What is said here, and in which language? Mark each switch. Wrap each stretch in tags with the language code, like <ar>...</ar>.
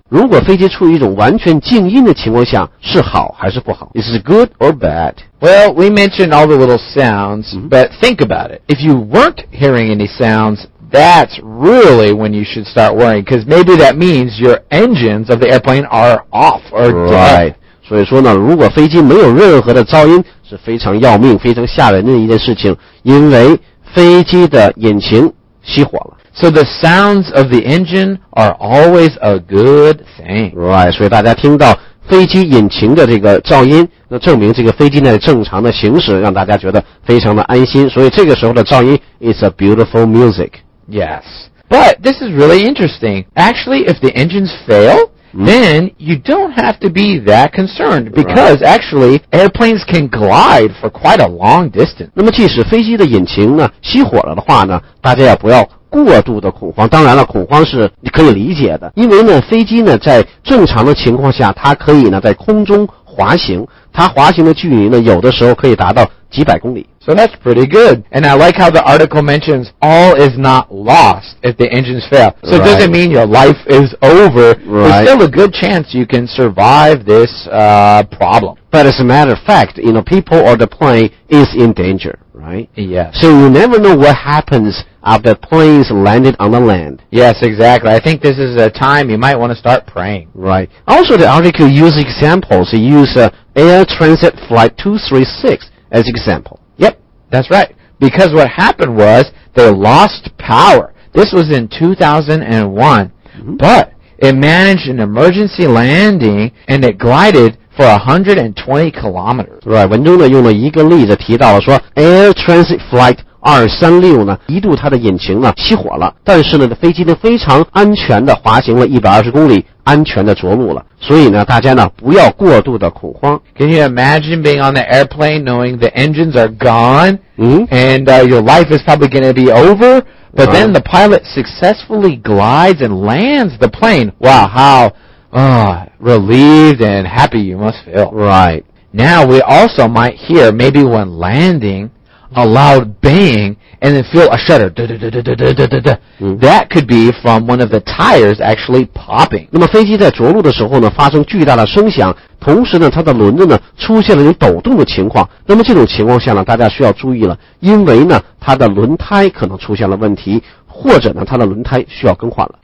<zh>如果飞机处于一种完全静音的情况下，是好还是不好？</zh> <en>Is it good or bad? Well, we mentioned all the little sounds, but think about it. If you weren't hearing any sounds, that's really when you should start worrying, because maybe that means your engines of the airplane are off or dead. Right.</en> <zh>所以说呢，如果飞机没有任何的噪音，是非常要命、非常吓人的一件事情，因为飞机的引擎。</zh> <en>So the sounds of the engine are always a good thing.</en> <zh>Right, 所以大家听到飞机引擎的这个噪音，那证明这个飞机呢正常的行驶，让大家觉得非常的安心。所以这个时候的噪音</zh> <en>is a beautiful music. Yes, but this is really interesting. Actually, if the engines fail, then you don't have to be that concerned because actually airplanes can glide for quite a long distance.</en> <zh>那么即使飞机的引擎呢熄火了的话呢，大家也不要过度的恐慌。当然了，恐慌是可以理解的，因为呢飞机呢在正常的情况下，它可以呢在空中滑行，它滑行的距离呢有的时候可以达到几百公里。</zh> <en>So that's pretty good. And I like how the article mentions all is not lost if the engines fail. So it doesn't mean your life is over. Right. There's still a good chance you can survive this problem. But as a matter of fact, you know, people or the plane is in danger, right? Yes. So you never know what happens after the plane's landed on the land. Yes, exactly. I think this is a time you might want to start praying. Right. Also, the article uses examples. It uses Air Transit Flight 236 as example. That's right, because what happened was they lost power. This was in 2001, but it managed an emergency landing and it glided for 120 kilometers.</en> <zh>Right, 文中呢用了一个例子提到了说 Air Transit Flight 236呢，一度它的引擎呢熄火了，但是呢飞机呢非常安全的滑行了120公里，安全的着陆了。所以呢大家呢不要过度的恐慌。</zh> <en>Can you imagine being on the airplane knowing the engines are gone, and your life is probably going to be over, but then the pilot successfully glides and lands the plane. Wow, how relieved and happy you must feel. Right. Now we also might hear maybe when landing a loud bang and then feel a shudder. That could be from one of the tires actually popping.</en> <zh>那么飞机在着陆的时候呢发生巨大的声响，同时呢它的轮子呢出现了有抖动的情况。那么这种情况下呢大家需要注意了，因为呢它的轮胎可能出现了问题，或者呢它的轮胎需要更换了。</zh>